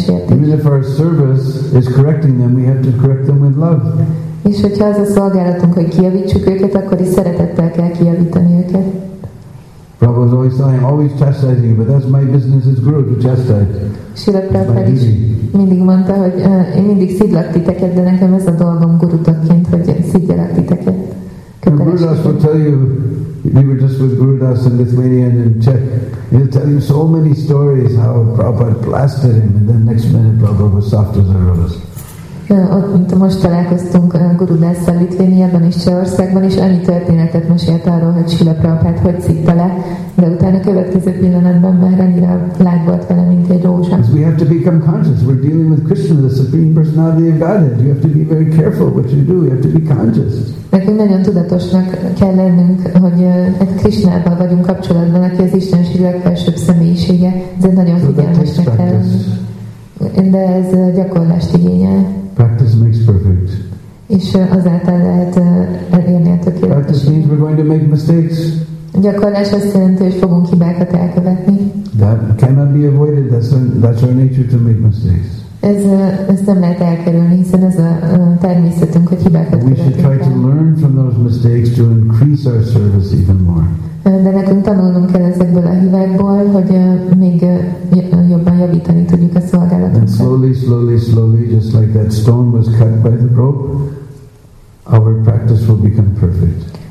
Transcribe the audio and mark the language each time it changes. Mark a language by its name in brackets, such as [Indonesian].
[English] Even if our service is correcting them, we have to correct them with love. [Hungarian] És hogyha az a szolgálatunk, hogy kijavítsuk őket, akkor is szeretettel kell kijavítani őket. [English] Prabhupada was always saying, I'm always chastising you, but that's my business as guru to chastise. [Hungarian] Srila Prabhupada is mindig mondta, hogy én mindig szidlak titeket, de nekem ez a dolgom gurutaként, hogy szidlak titeket. [English] Gurudas will tell you, we were just with Gurudas in Lithuania and in Czech. He'll tell you so many stories how Prabhupada blasted him, and then next minute Prabhupada was soft as a rose. [Hungarian] Ott most találkoztunk Gurudásszal Litvéniában és Csehországban, és annyi történetet mesélt arról, hogy Srila Prabhupád hogy szitta le, de utána következő pillanatban már annyira lágy volt vele, mint egy rózsa. [English] We have to become conscious. We're dealing with Krishna, the Supreme Personality of Godhead. You have to be very careful what you do. You have to be conscious. [Hungarian] Nekünk nagyon tudatosnak kell lennünk, hogy egy Krishnával vagyunk kapcsolatban, aki az Istenség legfelsőbb személyisége, ezért nagyon figyelmesnek kell. De ez gyakorlást igényel. [English] Practice makes perfect. [Hungarian] És azáltal lehet elérni a tökéletes. [English] Practice means we're going to make mistakes. [Hungarian] Gyakorlás azt jelenti, hogy fogunk hibákat elkövetni. [English] That cannot be avoided. That's our nature to make mistakes. [Hungarian] Ez nem lehet elkerülni, hiszen ez a természetünk, hogy hibákat követünk. [English] We should try to learn from those mistakes to increase our service even more. [Hungarian] De nekünk tanulnunk kell ezekből a hibákból, hogy még jobban javítani tudjuk a szolgálatot. [English] And slowly, slowly, slowly, just like that stone was cut by the rope, our practice will become perfect.